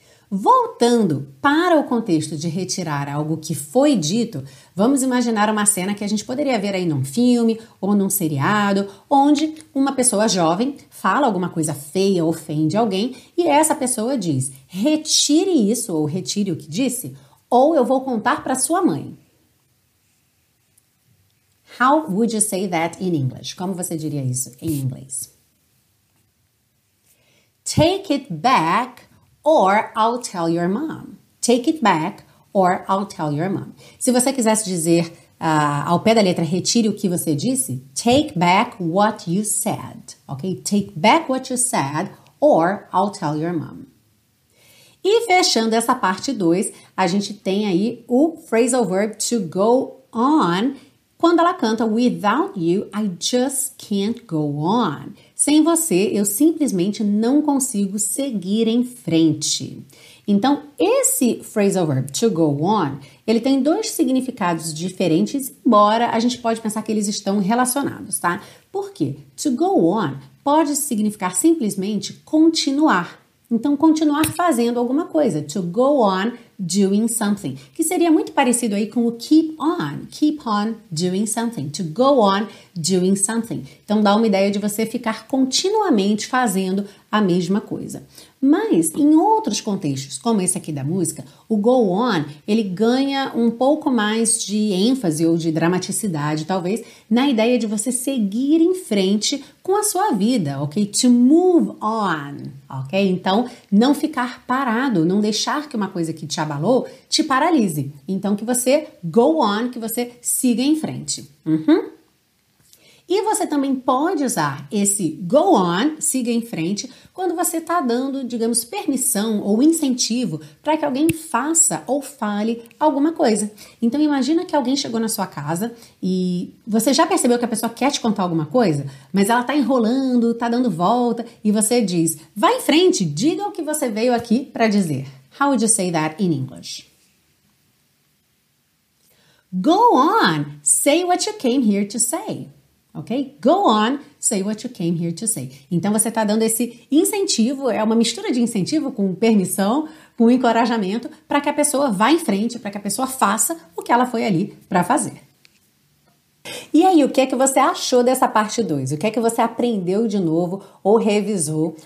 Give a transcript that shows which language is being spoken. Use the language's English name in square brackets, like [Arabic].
[Portuguese] Voltando para o contexto de retirar algo que foi dito, vamos imaginar uma cena que a gente poderia ver aí num filme ou num seriado, onde uma pessoa jovem fala alguma coisa feia, ofende alguém, e essa pessoa diz, retire isso ou retire o que disse, ou eu vou contar para sua mãe. [English] How would you say that in English? [Portuguese] Como você diria isso em inglês? [English] Take it back. Or I'll tell your mom. Take it back, or I'll tell your mom. [Portuguese] Se você quisesse dizer ao pé da letra, retire o que você disse, [English] take back what you said. [Portuguese] Ok? [English] Take back what you said, or I'll tell your mom. [Portuguese] E fechando essa parte 2, a gente tem aí o phrasal verb to go on. Quando ela canta, [English] without you, I just can't go on. [Portuguese] Sem você, eu simplesmente não consigo seguir em frente. Então, esse phrasal verb, to go on, ele tem dois significados diferentes, embora a gente pode pensar que eles estão relacionados, tá? Por quê? To go on pode significar simplesmente continuar. Então, continuar fazendo alguma coisa. [English] To go on doing something. [Portuguese] Que seria muito parecido aí com o keep on. [English] Keep on doing something. To go on doing something. [Portuguese] Então, dá uma ideia de você ficar continuamente fazendo a mesma coisa. Mas, em outros contextos, como esse aqui da música, o go on, ele ganha um pouco mais de ênfase ou de dramaticidade, talvez, na ideia de você seguir em frente com a sua vida, ok? To move on, ok? Então, não ficar parado, não deixar que uma coisa que te abalou te paralise. Então, que você go on, que você siga em frente. Uhum. E você também pode usar esse go on, siga em frente, quando você está dando, digamos, permissão ou incentivo para que alguém faça ou fale alguma coisa. Então, imagina que alguém chegou na sua casa e você já percebeu que a pessoa quer te contar alguma coisa, mas ela está enrolando, está dando volta e você diz, vai em frente, diga o que você veio aqui para dizer. [English] How would you say that in English? Go on, say what you came here to say. Ok? Go on, say what you came here to say. [Portuguese] Então, você está dando esse incentivo, é uma mistura de incentivo com permissão, com encorajamento, para que a pessoa vá em frente, para que a pessoa faça o que ela foi ali para fazer. E aí, o que é que você achou dessa parte 2? O que é que você aprendeu de novo ou revisou?